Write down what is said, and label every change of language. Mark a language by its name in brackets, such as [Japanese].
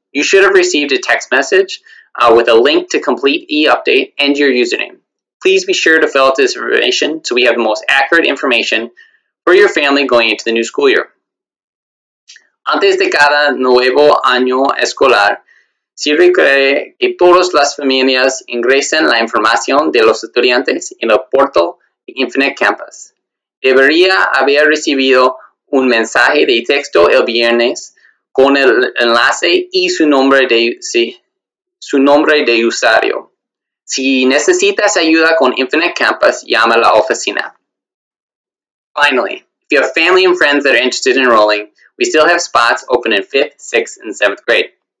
[English] You should have received a text message with a link to complete e-update and your username. Please be sure to fill out this information so we have the most accurate information for your family going into the new school year. [Spanish] Antes de cada nuevo año escolar, se requiere que todas las familias ingresen la información de los estudiantes en el portal de Infinite Campus. Debería haber recibido un mensaje de texto el viernes con el enlace y su nombre de usuario. Si necesitas ayuda con Infinite Campus, llama a la oficina. [English] Finally, if you have family and friends that are interested in enrolling, we still have spots open in 5th, 6th, and 7th grade.